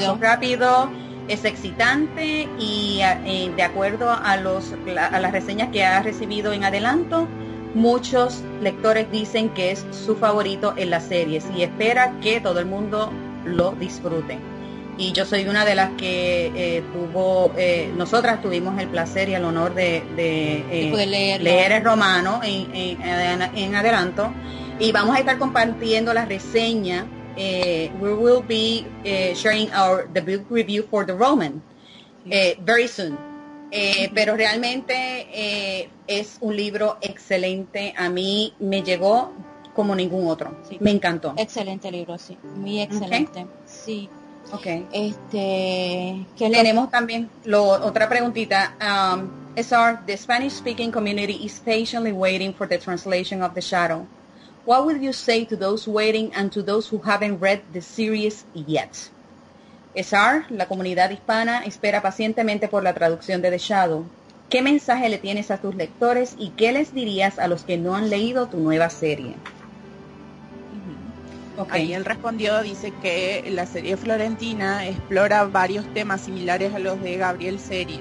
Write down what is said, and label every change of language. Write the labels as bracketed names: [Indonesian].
[Spanish] Paso rápido, es excitante y de acuerdo a los a las reseñas que ha recibido en adelanto, muchos lectores dicen que es su favorito en la serie y espera que todo el mundo lo disfrute. Y yo soy una de las que nosotras tuvimos el placer y el honor de leer el romano en adelanto. Y vamos a estar compartiendo la reseña. [English] We will be sharing our debut review for the Roman very soon. [Spanish] Pero realmente es un libro excelente. A mí me llegó como ningún otro. Sí. Me encantó. Excelente libro, sí. Muy excelente. Okay. Sí. Ok. ¿Qué tenemos también otra preguntita. [English] SR, the Spanish-speaking community is patiently waiting for the translation of The Shadow. What would you say to those waiting and to those who haven't read the series yet? [Spanish] SR, la comunidad hispana espera pacientemente por la traducción de The Shadow. ¿Qué mensaje le tienes a tus lectores y qué les dirías a los que no han leído tu nueva serie? Okay. Ahí él respondió, dice que la serie florentina explora varios temas similares a los de Gabriel series.